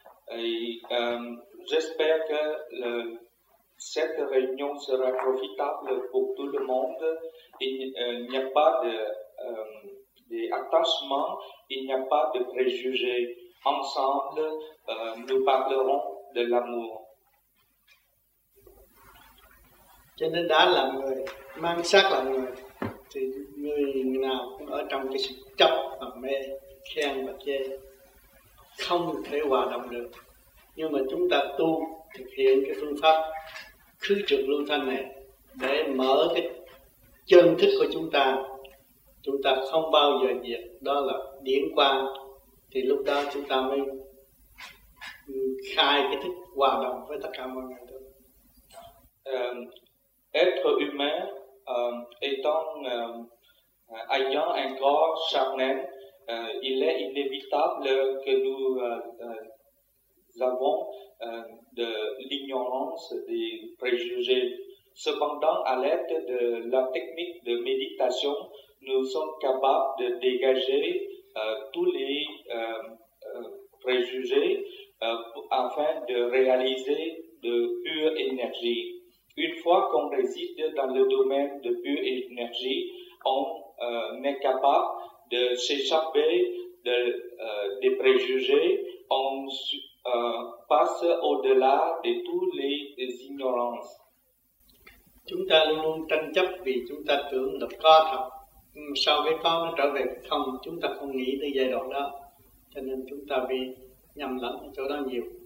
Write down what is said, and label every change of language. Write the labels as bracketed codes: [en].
[fr] Et, j'espère que cette réunion sera profitable pour tout le monde. Il n'y a pas d'attachement, il n'y a pas de préjugés. Ensemble, nous parlerons de l'amour. [vi] Cho nên đã là người, mang xác là người, thì người nào cũng ở trong cái sự chấp và mê, khen và chê, không thể hòa đồng được. Nhưng mà chúng ta tu thực hiện cái phương pháp khứ trực lưu thanh này để mở cái chân thức của chúng ta không bao giờ diệt, đó là điển quang. Thì lúc đó chúng ta mới khai cái thức hòa đồng với tất cả mọi người được. [fr] Être humain, ayant un corps charnel, il est inévitable que nous avons de l'ignorance, des préjugés. Cependant, à l'aide de la technique de méditation, nous sommes capables de dégager tous les préjugés afin de réaliser de pure énergie. Une fois qu'on réside dans le domaine de pure énergie, on est capable de s'échapper des préjugés, on passe au-delà de toutes les ignorances. [vi] Chúng ta luôn tranh chấp vì chúng ta tưởng là có thật, sau cái có nó trở về không, chúng ta không nghĩ tới giai đoạn đó, cho nên chúng ta bị nhầm lẫn ở chỗ đó nhiều.